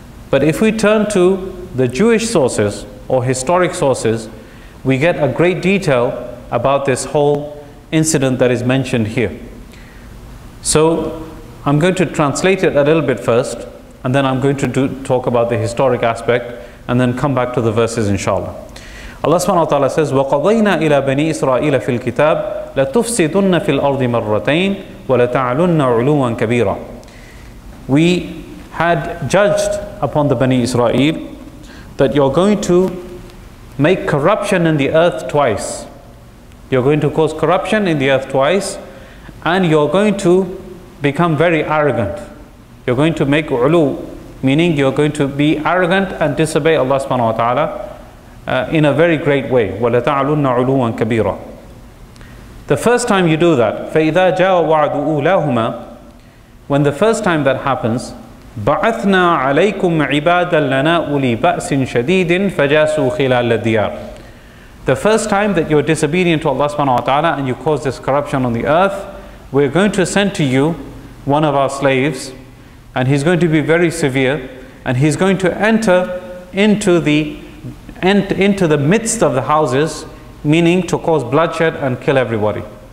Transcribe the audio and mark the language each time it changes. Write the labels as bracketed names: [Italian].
[English] But if we turn to the Jewish sources or historic sources, we get a great detail about this whole incident that is mentioned here. So I'm going to translate it a little bit first, and then I'm going to talk about the historic aspect and then come back to the verses inshallah. Allah subhanahu wa ta'ala says, [Arabic] وَقَضَيْنَا إِلَى بَنِي إِسْرَائِيلَ فِي الْكِتَابِ لَتُفْسِدُنَّ فِي الْأَرْضِ مَرَّتَيْنِ وَلَتَعْلُنَّ عُلُوًا كَبِيرًا. [English] We had judged upon the Bani Israel that you're going to make corruption in the earth twice. You're going to cause corruption in the earth twice, and you're going to become very arrogant. You're going to make ulu, meaning you're going to be arrogant and disobey Allah subhanahu wa ta'ala in a very great way. [Arabic] وَلَتَعْلُنَّ عُلُوًا كَبِيرًا. [English] The first time you do that, [Arabic] فَإِذَا جَاءَ وَعْدُ أُولَاهُمَا, [English] when the first time that happens, [Arabic] بَعَثْنَا عَلَيْكُمْ عِبَادًا لَنَا أُولِي بَأْسٍ شَدِيدٍ فَجَاسُوا خِلَالَ الدِّيَارِ. [English] The first time that you're disobedient to Allah subhanahu wa ta'ala and you cause this corruption on the earth, we're going to send to you one of our slaves, and he's going to be very severe, and he's going to enter into the midst of the houses, meaning to cause bloodshed and kill everybody.